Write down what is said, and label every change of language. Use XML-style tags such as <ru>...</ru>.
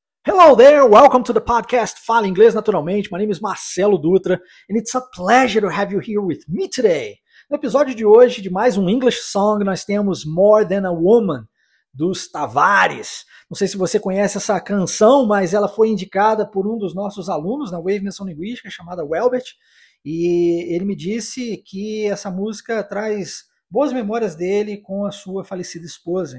<en>Hello there, welcome to the podcast Fala Inglês Naturalmente. My name is Marcelo Dutra, and it's a pleasure to have you here with me today.</en> <pt>No episódio de hoje, de mais um English Song, nós temos More Than a Woman, dos Tavares. Não sei se você conhece essa canção, mas ela foi indicada por um dos nossos alunos na Wave Menção Linguística, chamada Welbert, e ele me disse que essa música traz boas memórias dele com a sua falecida esposa.</pt>